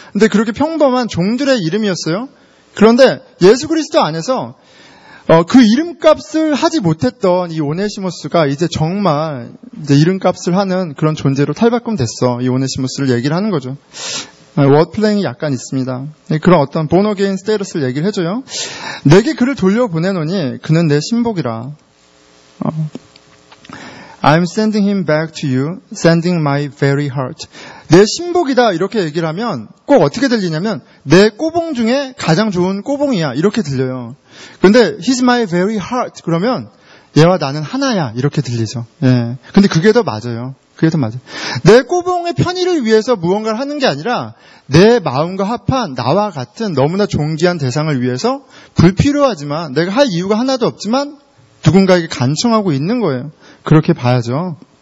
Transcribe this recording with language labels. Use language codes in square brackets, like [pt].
[ko] 근데 그렇게 평범한 종들의 이름이었어요. 그런데 예수 그리스도 안에서 그 이름값을 하지 못했던 이 오네시모스가 이제 정말 이제 이름값을 하는 그런 존재로 탈바꿈 됐어. 이 오네시모스를 얘기를 하는 거죠. 워드플레잉이 약간 있습니다. 그런 어떤 본어게인 스테이러스를 얘기를 해줘요. 내게 그를 돌려보내노니 그는 내 신복이라. [en] I'm sending him back to you, sending my very heart. [ko] 내 신복이다 이렇게 얘기를 하면 꼭 어떻게 들리냐면 내 꼬봉 중에 가장 좋은 꼬봉이야 이렇게 들려요. 근데 [en] he's my very heart [ko] 그러면 얘와 나는 하나야 이렇게 들리죠. 예. 근데 그게 더 맞아요. 그게 더 맞아요. 내 꼬봉의 편의를 위해서 무언가를 하는 게 아니라 내 마음과 합한 나와 같은 너무나 존귀한 대상을 위해서 불필요하지만 내가 할 이유가 하나도 없지만 누군가에게 간청하고 있는 거예요. 그렇게 봐야죠.